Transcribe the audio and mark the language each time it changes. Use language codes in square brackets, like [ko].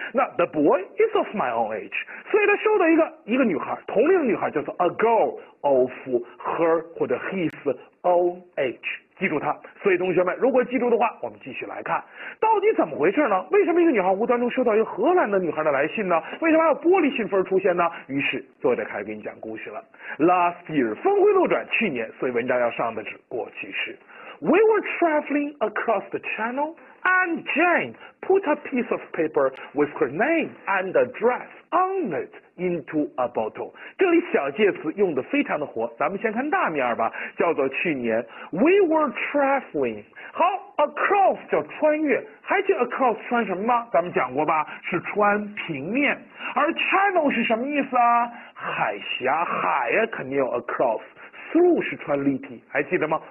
[zh] 那 [en] the boy is of my own age， [zh] 所以他收到一个女孩，同龄的女孩叫做 [en] a girl of her [zh] 或者 [en] his own age。 [zh] 记住它，所以同学们，如果记住的话，我们继续来看，到底怎么回事呢？为什么一个女孩无端中收到一个荷兰的女孩的来信呢？为什么还有玻璃信封出现呢？于是作者开始给你讲故事了。 [en] Last year， [zh] 峰回路转，去年，所以文章要上的是过去式。 [en] We were traveling across the channel， and Jane put a piece of paper with her name and address on it into a bottle。 [zh] 这里小介词用的非常的活，咱们先看大面吧，叫做去年。 [en] We were traveling， [zh] 好， across 叫穿越，还记得 across 穿什么吗？咱们讲过吧，是穿平面。而 channel 是什么意思啊？海峡，海啊，肯定有 across。Through 是穿立体，还记得吗？